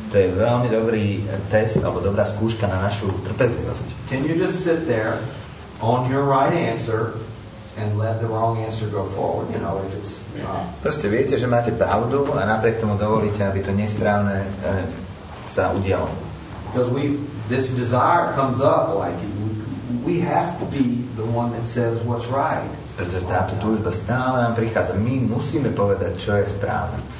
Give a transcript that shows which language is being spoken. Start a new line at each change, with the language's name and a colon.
Slovak: To je veľmi dobrý test alebo dobrá skúška na našu trpezlivosť.
English: Can you just sit there on your right answer and let the wrong answer go forward, you know, if it's
Slovak: Proste viete, že máte pravdu a napriek tomu dovolíte, aby to nesprávne sa udialo.
English: Because this desire comes up, like we have to be the one that says what's right.
Slovak: Pretože táto túžba stále nám prichádza. My musíme povedať, čo je správne.